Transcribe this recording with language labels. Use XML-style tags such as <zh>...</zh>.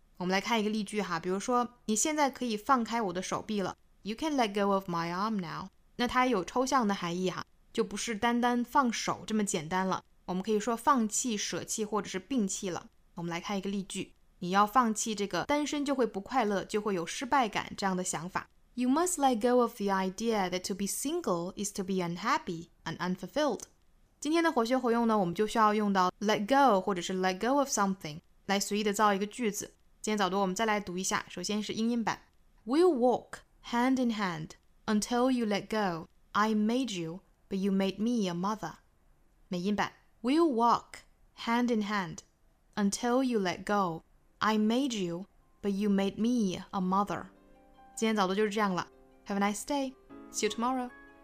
<zh>我们来看一个例句哈，比如说你现在可以放开我的手臂了，</zh> <en>you can let go of my arm now。</en> <zh>那它有抽象的含义哈，就不是单单放手这么简单了，我们可以说放弃舍弃或者是摒弃了。我们来看一个例句，你要放弃这个单身就会不快乐就会有失败感这样的想法。</zh> <en>You must let go of the idea that to be single is to be unhappy and unfulfilled。</en> <zh>今天的活学活用呢，我们就需要用到 let go 或者是 let go of something 来随意的造一个句子。今天早读我们再来读一下，首先是英音版。</zh> <en>We'll walk hand in hand until you let go. I made you, but you made me a mother.</en> <zh>美音版。</zh> <en>We'll walk hand in hand until you let go. I made you, but you made me a mother.</en> <zh>今天早读就是这样了。</zh> <en>Have a nice day. See you tomorrow.</en>